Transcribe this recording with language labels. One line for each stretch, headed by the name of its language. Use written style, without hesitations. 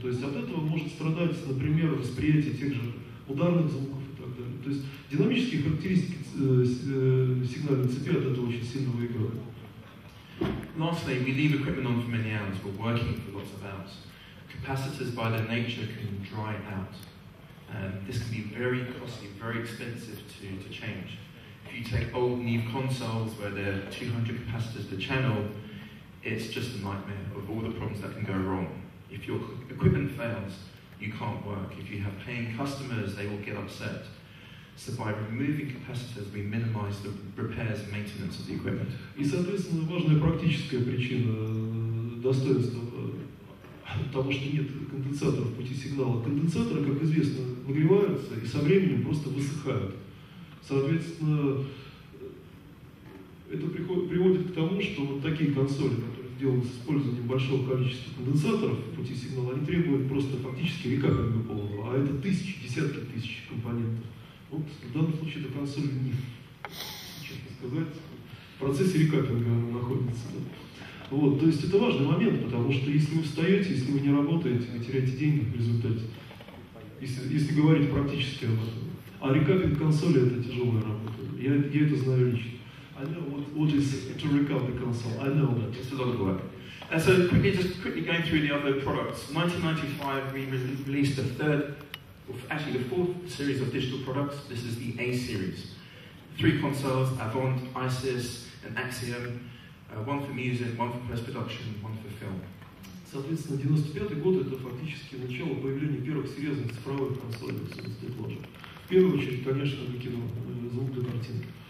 Russian: То есть от этого может страдать, например, восприятие тех же ударных звуков и так далее. То есть динамические характеристики сигнальной цепи от этого очень сильно выигрывают.
English: Lastly, we leave equipment on for many hours, we're working for lots of hours. Capacitors by their nature can dry out. This can be very costly, very expensive to change. If you take old Neve consoles where there are 200 capacitors per channel, it's just a nightmare of all the problems that can go wrong. If your equipment fails, you can't work. If you have paying customers, they will get upset. So by removing capacitors, we minimize the repairs and maintenance of the equipment.
Russian: И, соответственно, важная практическая причина достоинства того, что нет конденсаторов в пути сигнала. Конденсаторы, как известно, нагреваются и со временем просто высыхают. Соответственно, это приводит к тому, что вот такие консоли, которые сделаны с использованием большого количества конденсаторов в пути сигнала, они требуют просто фактически века как бы полного, а это тысячи, десятки тысяч компонентов. Вот в данном случае эта консоль не, честно сказать, в процессе рекапинга она находится. Да? Вот, то есть это важный момент, потому что если вы встаете, если вы не работаете, вы теряете деньги в результате, если говорить практически об этом. А рекапинг консоли — это тяжелая работа. Я это знаю лично.
English: I know what is to recap the console. I know that. It's a lot of work. And so quickly, just quickly going through the other products. 1995, we released the third, actually the fourth series of digital products. This is the A series. Three consoles: Avant, Isis, and Axiom. One for music, one for post-production, one for film.
Russian: Соответственно, 95-й год — это фактически начало появления первых серьезных цифровых консолей в SolidStateLogic. В первую очередь, конечно, для кино, звук для картинки.